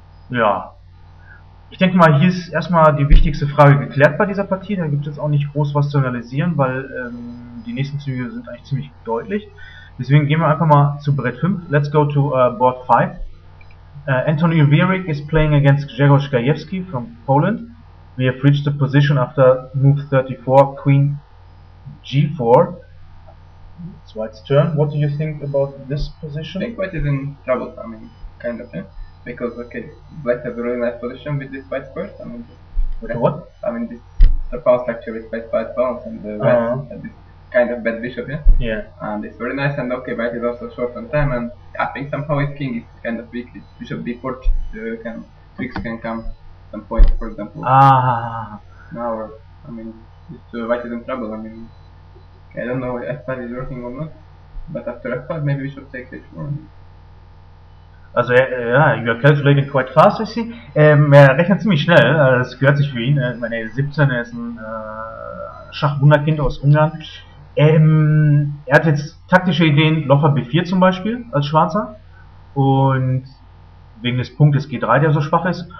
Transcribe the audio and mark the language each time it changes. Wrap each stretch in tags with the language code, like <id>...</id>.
<de>Ja, ich denke mal, hier ist erstmal die wichtigste Frage geklärt bei dieser Partie, da gibt es jetzt auch nicht groß was zu analysieren, weil die nächsten Züge sind eigentlich ziemlich deutlich. Deswegen gehen wir einfach mal zu Brett 5,</de> <en>let's go to Board 5. Antoni Wierik is playing against Grzegorz Gajewski from Poland. We have reached the position after move 34, queen g4. It's white's turn. What do you think about this position? I think white is in trouble, I mean, kind of, yeah. Because, okay, black has a really nice position with this white squares. I mean, the pawn structure is quite bad pawns, and the white has this kind of bad bishop, yeah? Yeah. And it's very nice, and okay, white is also short on time, and I think somehow his king is kind of weak. Bishop d4, tricks can come at some point, for example. Ah. Now, I mean, it's white is in trouble. I mean, I don't know if f5 is working or not, but after f5, maybe we should take it for him. Also, yeah, you are calculating quite fast, I see.</en> <de>Er rechnet ziemlich schnell, das gehört sich für ihn. Ich meine, er ist 17, er ist ein Schachwunderkind aus Ungarn. Er hat jetzt taktische Ideen, Läufer b4 zum Beispiel, als Schwarzer. Und wegen des Punktes g3, der so schwach ist.</de>